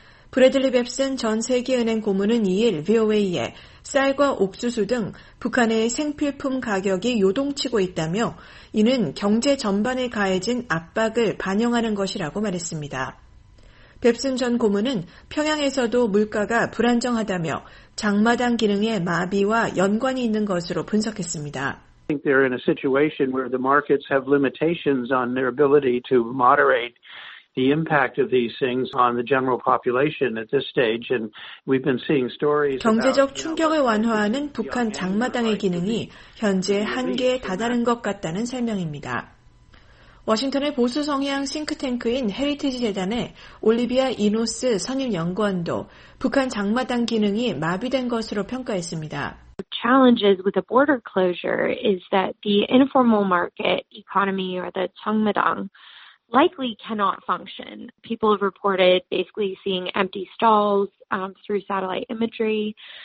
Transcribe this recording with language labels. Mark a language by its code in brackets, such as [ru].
[ko] 브래들리 뱁슨 전 세계은행 고문은 2일 VOA에 쌀과 옥수수 등 북한의 생필품 가격이 요동치고 있다며 이는 경제 전반에 가해진 압박을 반영하는 것이라고 말했습니다. 뱁슨 전 고문은 평양에서도 물가가 불안정하다며 장마당 기능의 마비와 연관이 있는 것으로 분석했습니다. [en] I think they're in a situation where the markets have limitations on their ability to moderate the impact of these things on the general population at this stage. And we've been seeing stories. [ko] 경제적 충격을 완화하는 북한 장마당의 기능이 현재 한계에 다다른 것 같다는 설명입니다. 워싱턴의 보수 성향 싱크탱크인 헤리티지 재단의 올리비아 이노스 선임 연구원도 북한 장마당 기능이 마비된 것으로 평가했습니다. [en] The challenges with the border closure is that the informal market economy or the Changmadang likely cannot function. People have reported basically seeing empty stalls through satellite imagery.